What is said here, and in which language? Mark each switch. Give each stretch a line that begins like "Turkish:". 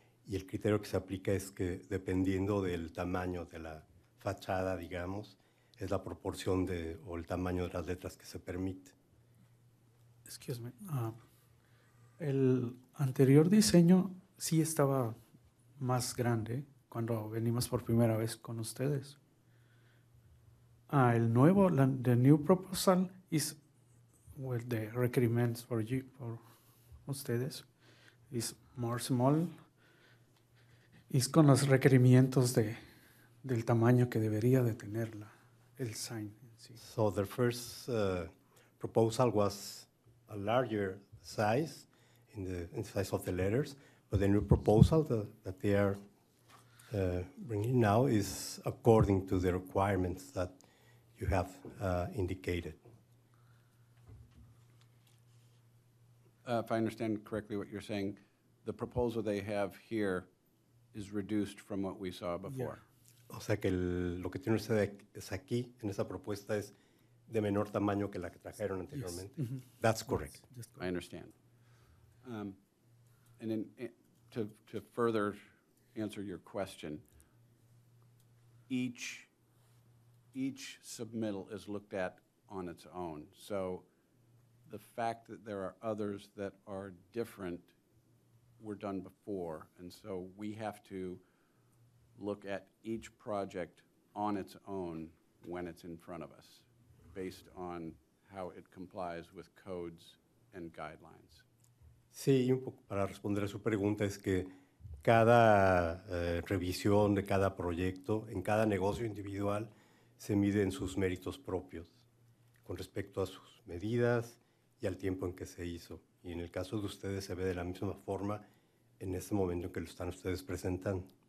Spanish: Y el criterio que se aplica es que dependiendo del tamaño de la fachada, digamos, es la proporción de o el tamaño de las letras que se permite.
English: Excuse me.
Spanish: El anterior diseño sí estaba más grande cuando venimos por primera vez con ustedes. El nuevo,
English: the new proposal is with the requirements for you, for ustedes, is more small.
Spanish: Y con los requerimientos de del tamaño que debería de tener la el sign. Sí.
English: So the first proposal was a larger size in the size of the letters, but the new proposal that they are bringing now is according to the requirements that you have indicated. If I understand correctly what you're saying, the proposal they have here is reduced from what we saw before.
Spanish: Yeah. O sea que lo que tiene usted aquí en esa propuesta es de menor tamaño que la que trajeron anteriormente.
English: Yes. Mm-hmm. That's correct. I understand. And then to further answer your question, each submittal is looked at on its own. So the fact that there are others that are different were done before, and so we have to look at each project on its own when it's in front of us, based on how it complies with codes and guidelines.
Spanish: Sí, un poco para responder a su pregunta es que cada revisión de cada proyecto, en cada negocio individual, se mide en sus méritos propios, con respecto a sus medidas y al tiempo en que se hizo. Y en el caso de ustedes se ve de la misma forma en este momento en que lo están ustedes presentando.